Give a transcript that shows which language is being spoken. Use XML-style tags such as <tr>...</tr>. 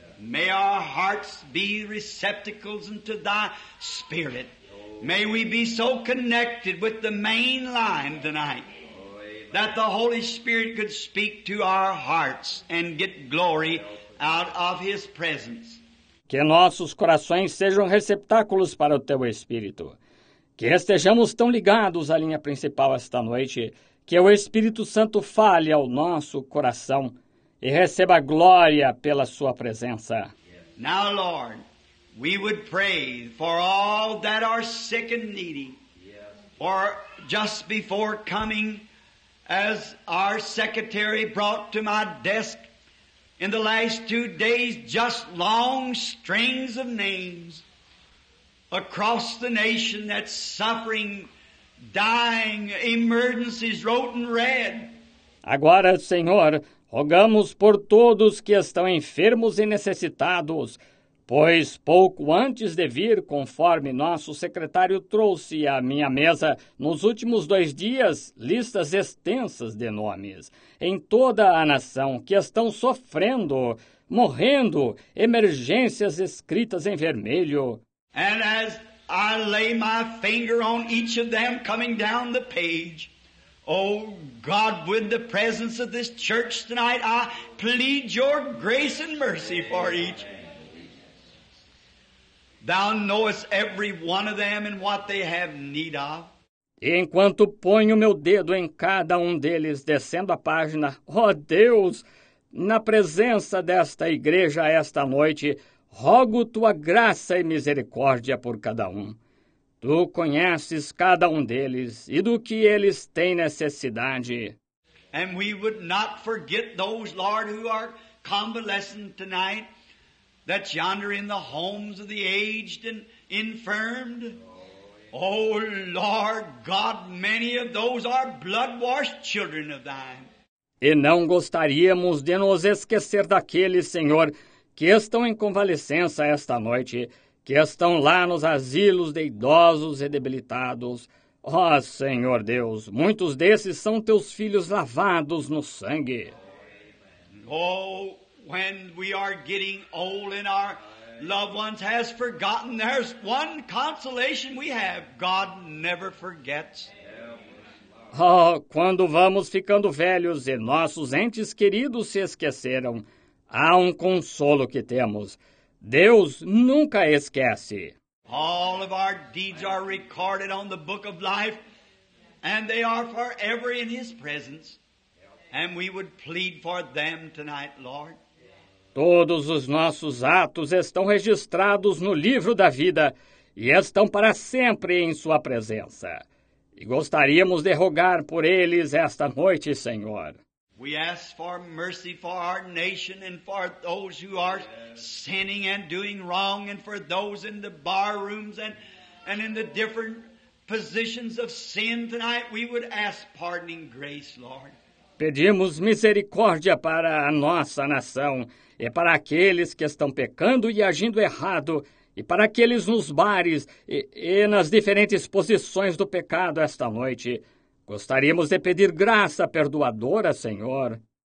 <en>May our hearts be receptacles unto thy spirit. May we be so connected with the main line tonight that the Holy Spirit could speak to our hearts and get glory out of his presence.</en> <pt>Que nossos corações sejam receptáculos para o teu espírito. Que estejamos tão ligados à linha principal esta noite, que o Espírito Santo fale ao nosso coração e receba glória pela sua presença.</pt> <en>Now, Lord, we would pray for all that are sick and needy, for just before coming, as our secretary brought to my desk in the last 2 days, just long strings of names across the nation that's suffering, dying, emergencies wrote in red.</en> <pt>Agora, Senhor, rogamos por todos que estão enfermos e necessitados, pois pouco antes de vir, conforme nosso secretário trouxe à minha mesa, nos últimos 2 dias, listas extensas de nomes em toda a nação que estão sofrendo, morrendo, emergências escritas em vermelho.</pt> <en>And as I lay my finger on each of them coming down the page, oh God, with the presence of this church tonight, I plead your grace and mercy for each. Thou knowest every one of them and what they have need of.</en> <pt>E enquanto ponho meu dedo em cada deles, descendo a página, oh Deus, na presença desta igreja esta noite, rogo tua graça e misericórdia por cada Tu conheces cada deles e do que eles têm necessidade.</pt> <en>And we would not forget those, Lord, who are convalescing tonight, that yonder in the homes of the aged and infirmed. Oh, Lord God, many of those are blood-washed children of thine.</en> <pt>E não gostaríamos de nos esquecer daqueles, Senhor, que estão em convalescença esta noite, que estão lá nos asilos de idosos e debilitados. Ó, Senhor Deus, muitos desses são teus filhos lavados no sangue.</pt> <en>Oh, when we are getting old and our loved ones has forgotten, there's one consolation we have: God never forgets.</en> <pt>Ó, quando vamos ficando velhos e nossos entes queridos se esqueceram, há consolo que temos. Deus nunca esquece.</pt> <en>All of our deeds are recorded on the book of life, and they are forever in his presence. And we would plead for them tonight, Lord.</en> <pt>Todos os nossos atos estão registrados no livro da vida e estão para sempre em sua presença. E gostaríamos de rogar por eles esta noite, Senhor.</pt> <en>We ask for mercy for our nation and for those who are sinning and doing wrong, and for those in the bar rooms and in the different positions of sin tonight. We would ask pardoning grace, Lord.</en> <pt>Pedimos misericórdia para a nossa nação e para aqueles que estão pecando e agindo errado, e para aqueles nos bares e nas diferentes posições do pecado esta noite. Gostaríamos de pedir graça perdoadora, Senhor.</pt>